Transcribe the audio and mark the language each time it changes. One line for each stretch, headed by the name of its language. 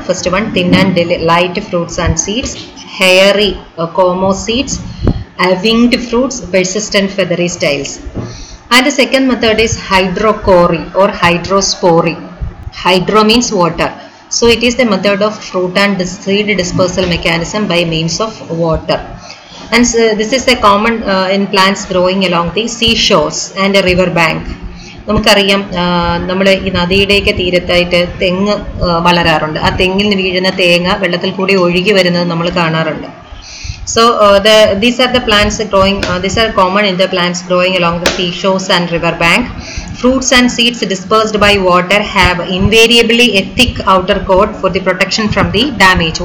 English: First one, thin and light fruits and seeds, hairy comose seeds, winged fruits, persistent feathery styles. And second method is hydrochory or hydrospory. Hydro means water. So it is the method of fruit and seed dispersal mechanism by means of water. And this is a common in plants growing along the seashores and a river bank.
Malayalam: നമുക്കറിയാം നമ്മുടെ ഈ നദിയുടെയൊക്കെ തീരത്തായിട്ട് തെങ്ങ് വളരാറുണ്ട്. ആ തെങ്ങിൽ നിന്ന് വീഴുന്ന തേങ്ങ വെള്ളത്തിൽ കൂടി ഒഴുകി വരുന്നത് നമ്മൾ കാണാറുണ്ട്.
English: So these are the plants growing these are common in the plants growing along the sea shores and river bank. Fruits and seeds dispersed by water have invariably a thick outer coat for the protection from the damage.